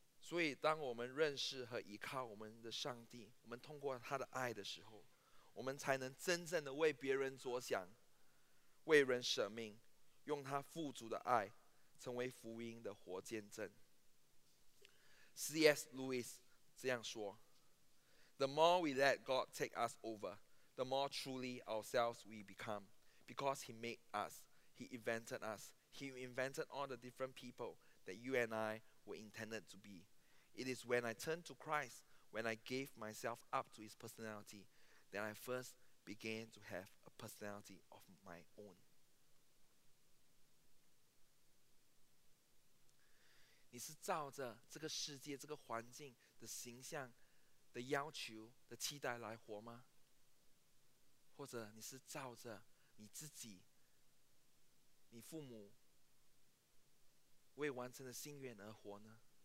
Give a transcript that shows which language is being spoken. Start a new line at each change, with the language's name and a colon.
Chinese: 所以当我们认识和依靠我们的上帝，我们通过他的爱的时候，我们才能真正的为别人着想，为人舍命，用他富足的爱成为福音的活见证。
English: C.S. Lewis
Chinese: 这样说，
English: The more we let God take us over, the more truly ourselves we become, because he made us, he invented us, he invented all the different people that you and I were intended to be. It is when I turned to Christ, when I gave myself up to his personality, that I first began to have a personality of my own.
Chinese: 你是照着这个世界这个环境的形象的要求的期待来活吗？或者你是照着你自己你父母未完成的心愿而活呢？